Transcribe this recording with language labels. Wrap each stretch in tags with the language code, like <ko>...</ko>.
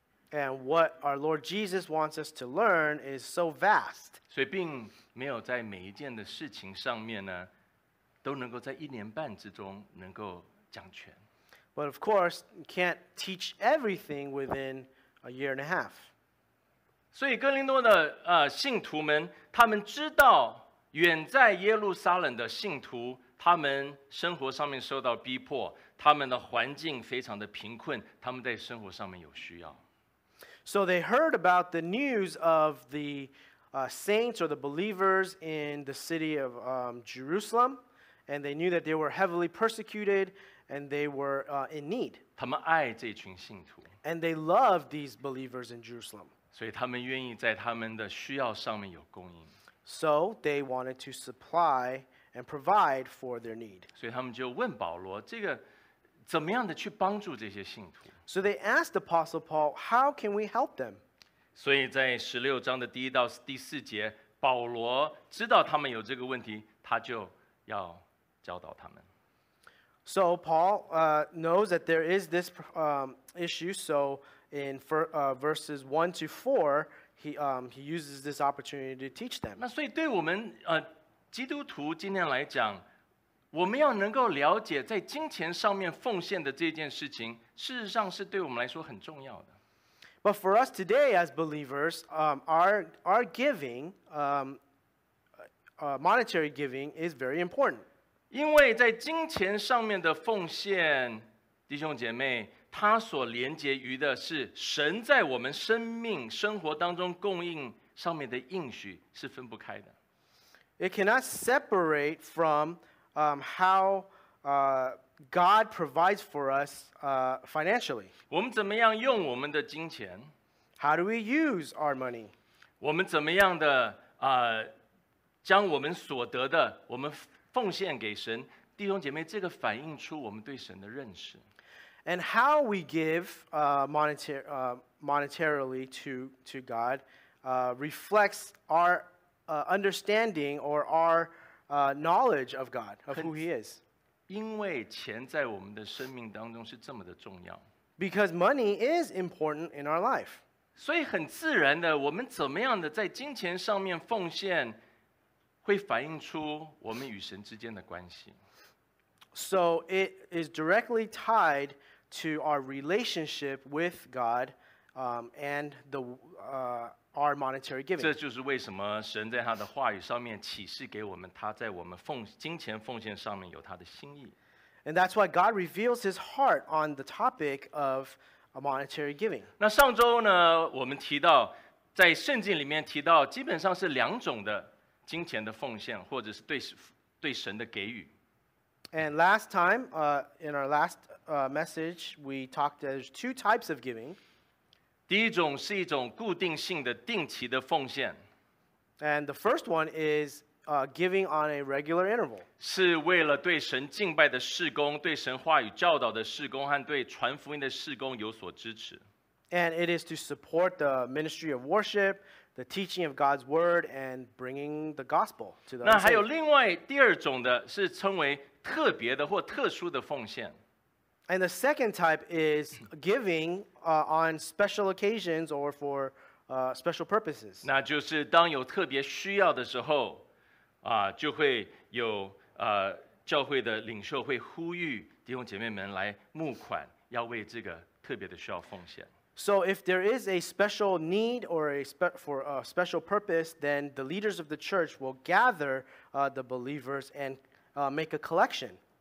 <en>And what our Lord Jesus wants us to learn is so vast.</en> <zh>所以并没有在每一件的事情上面呢，都能够在一年半之中能够讲全。</zh> <en>But of course, you can't teach everything within a year and a half.</en> <zh>所以哥林多的信徒们，他们知道远在耶路撒冷的信徒，他们生活上面受到逼迫，他们的环境非常的贫困，他们在生活上面有需要。</zh> <en>So they heard about the news of the saints or the believers in the city of Jerusalem, and they knew that they were heavily persecuted and they were in need.</en> <zh>他们爱这群信徒。</zh> <en>And they loved these believers in Jerusalem.</en> <zh>所以他们愿意在他们的需要上面有供应。</zh> <en>So they wanted to supply and provide for their need.</en> <zh>所以他们就问保罗，这个怎么样的去帮助这些信徒？</zh> <en>So they asked Apostle Paul, how can we help them?</en> <zh>所以在十六章的第一到第四节，保罗知道他们有这个问题，他就要教导他们。</zh> <en>So Paul knows that there is this issue. So in verses 1-4, he uses this opportunity to teach them.</en> <zh>那所以对我们基督徒今天来讲，我们要能够了解在金钱上面奉献的这件事情，事实上是对我们来说很重要的。</zh> <en>But for us today as believers, our giving, monetary giving is very important.</en> <zh>因为在金钱上面的奉献，弟兄姐妹，它所连接于的是神在我们生命生活当中供应上面的应许，是分不开的。</zh> <en>It cannot separate from how God provides for us financially.</en> <zh>我们怎么样用我们的金钱？</zh> <en>How do we use our money?</en> <zh>我们怎么样的将我们所得的我们奉献给神？弟兄姐妹，这个反映出我们对神的认识。</zh> <en>And how we give monetarily to God reflects our understanding or our knowledge of God, of who He is.</en> <zh>因为钱在我们的生命当中是这么的重要。</zh> <en>Because money is important in our life.</en> <zh>所以很自然的，我们怎么样的在金钱上面奉献，会反映出我们与神之间的关系。</zh> <en>So it is directly tied to our relationship with God, and the our monetary giving.</en> <zh>这就是为什么神在他的话语上面启示给我们，他在我们金钱奉献上面有他的心意。</zh> <en>And that's why God reveals His heart on the topic of a monetary giving.</en> <zh>那上周呢，我们提到在圣经里面提到，基本上是两种的金钱的奉献，或者是对神的给予。</zh> <en>And last time, in our last message, we talked there's two types of giving.</en> <zh>第一种是一种固定性的定期的奉献。</zh> <en>And the first one is giving on a regular interval.</en> <zh>是为了对神敬拜的事工，对神话语教导的事工和对传福音的事工有所支持。</zh> <en>And it is to support the ministry of worship, the teaching of God's word, and bringing the gospel to the.</en> <zh>那还有另外第二种的是称为特别的或特殊的奉献。</zh> <en>And the second type is giving on special occasions or for special purposes.</en> <zh>那就是当有特别需要的时候，就会有教会的领袖会呼吁弟兄姐妹们来募款，要为这个特别的需要奉献。</zh> <en>So if there is a special need or a for a special purpose, then the leaders of the church will gather the believers and make a collection.</en>